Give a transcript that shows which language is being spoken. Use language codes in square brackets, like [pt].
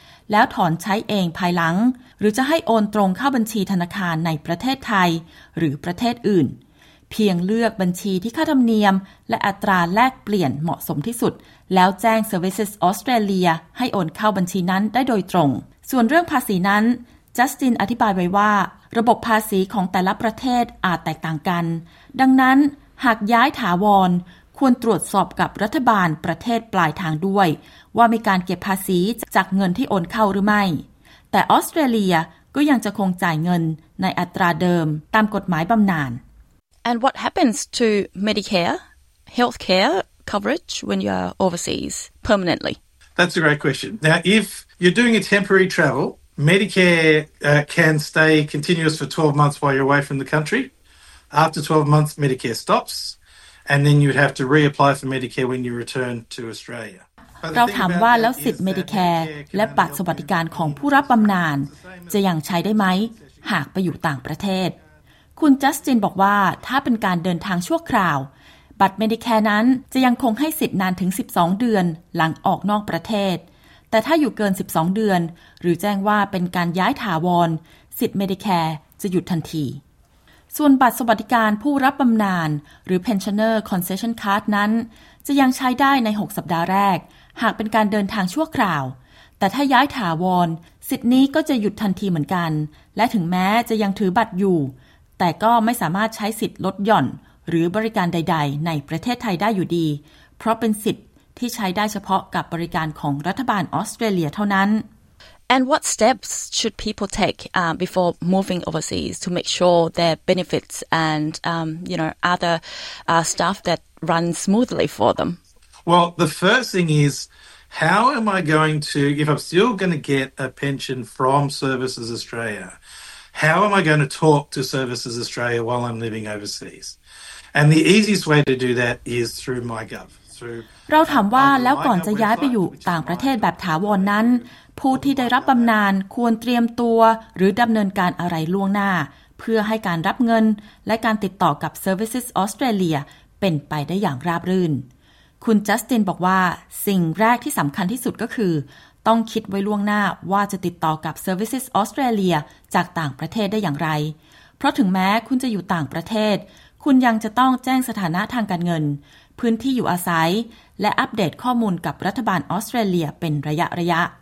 [th] แล้วถอนใช้เองภายหลังหรือจะให้โอนตรงเข้าบัญชีธนาคารในประเทศไทยหรือประเทศอื่นเพียงเลือกบัญชีที่ค่าธรรมเนียมและอัตราแลกเปลี่ยนเหมาะสมที่สุดแล้วแจ้ง Services Australia ให้โอนเข้าบัญชีนั้นได้โดยตรงส่วนเรื่องภาษีนั้นจัสตินอธิบายไว้ว่าระบบภาษีของแต่ละประเทศอาจแตกต่างกัน ดังนั้นหากย้ายถาวรควรตรวจสอบกับรัฐบาลประเทศปลายทางด้วยว่ามีการเก็บภาษีจากเงินที่โอนเข้าหรือไม่แต่ออสเตรเลียก็ยังจะคงจ่ายเงินในอัตราเดิมตามกฎหมายบำนาญ [en] And what happens to Medicare healthcare coverage when you are overseas permanently? That's a great question. Now if you're doing a temporary travel, Medicare can stay continuous for 12 months while you're away from the country. After 12 months Medicare stops. And then you'd have to reapply for Medicare when you return to Australia. [th] เราถามว่าแล้วสิทธิ์ Medicare และบัตรสวัสดิการของผู้รับบำนาญจะยังใช้ได้ไหมหากไปอยู่ต่างประเทศคุณจัสตินบอกว่าถ้าเป็นการเดินทางชั่วคราวบัตร Medicare นั้นจะยังคงให้สิทธิ์นานถึง12เดือนหลังออกนอกประเทศแต่ถ้าอยู่เกิน12เดือนหรือแจ้งว่าเป็นการย้ายถาวรสิทธิ์ Medicare จะหยุดทันที ส่วนบัตรสวัสดิการผู้รับบำนาญหรือ Pensioner Concession Card นั้นจะยังใช้ได้ใน6สัปดาห์แรกหากเป็นการเดินทางชั่วคราวแต่ถ้าย้ายถาวรสิทธิ์นี้ก็จะหยุดทันทีเหมือนกันและถึงแม้จะยังถือบัตรอยู่แต่ก็ไม่สามารถใช้สิทธิ์ลดหย่อนหรือบริการใดๆในประเทศไทยได้อยู่ดีเพราะเป็นสิทธิ์ที่ใช้ได้เฉพาะกับบริการของรัฐบาลออสเตรเลียเท่านั้น [en] And what steps should people take before moving overseas to make sure their benefits and you know other stuff that runs smoothly for them? Well, the first thing is, how am I going to, if I'm still going to get a pension from Services Australia, how am I going to talk to Services Australia while I'm living overseas? And the easiest way to do that is through MyGov. [th] เราถามว่าแล้วก่อนจะย้ายไปอยู่ต่างประเทศแบบถาวรนั้นผู้ที่ได้รับบำนาญควรเตรียมตัวหรือดำเนินการอะไรล่วงหน้าเพื่อให้การรับเงินและการติดต่อกับ Services Australia เป็นไปได้อย่างราบรื่น คุณจัสตินบอกว่าสิ่งแรกที่สำคัญที่สุดก็คือต้องคิดไว้ล่วงหน้าว่าจะติดต่อกับ Services Australia จากต่างประเทศได้อย่างไรเพราะถึงแม้คุณจะอยู่ต่างประเทศคุณยังจะต้องแจ้งสถานะทางการเงินพื้นที่อยู่อาศัยและอัปเดตข้อมูลกับรัฐบาลออสเตรเลียเป็นระยะ